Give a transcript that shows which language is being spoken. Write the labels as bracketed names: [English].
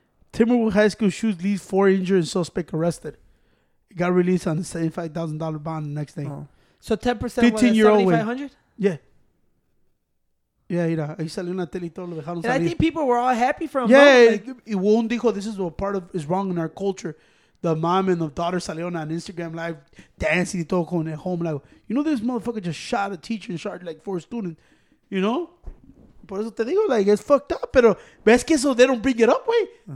[English] Timberwood High School shoots leads 4 injured and suspect arrested. He got released on a $75,000 bond the next day. Oh. So 10% was 7,500? Yeah. [Spanish] Yeah, ahí salió una tele y todo lo dejaron salir. [English] And I think people were all happy for him. Yeah, like, y Wong dijo, this is what part of is wrong in our culture. The mom and the daughter salieron on Instagram Live dancing y todo con el home. Like, you know, this motherfucker just shot a teacher and shot like 4 students. You know? Por eso te digo, like, it's fucked up. Pero ves que eso, they don't bring it up, wey. Mm-hmm.